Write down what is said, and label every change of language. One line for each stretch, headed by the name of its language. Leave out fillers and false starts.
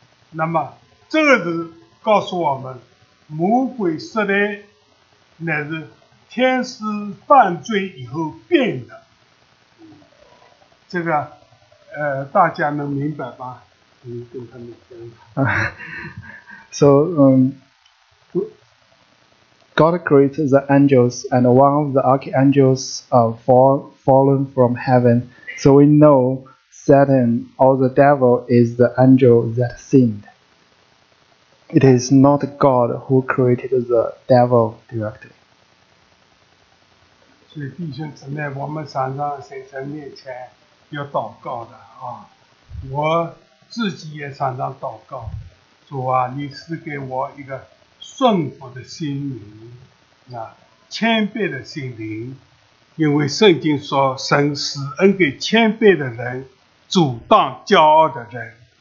Chinese: 那么这个人告诉我们，魔鬼失来乃是天使犯罪以后变的，这个大家能明白吧？跟他们讲。
English: So, God created the angels, and one of the archangels fallen from heaven. So we know Satan or the devil is the angel that sinned. It is not God who created the devil directly.
Chinese: 所以弟兄姊妹，我们常常在神面前要祷告的啊，我自己也常常祷告，主啊，你赐给我一个顺服的心灵，啊，谦卑的心灵，因为圣经说神施恩给谦卑的人，阻挡骄傲的人。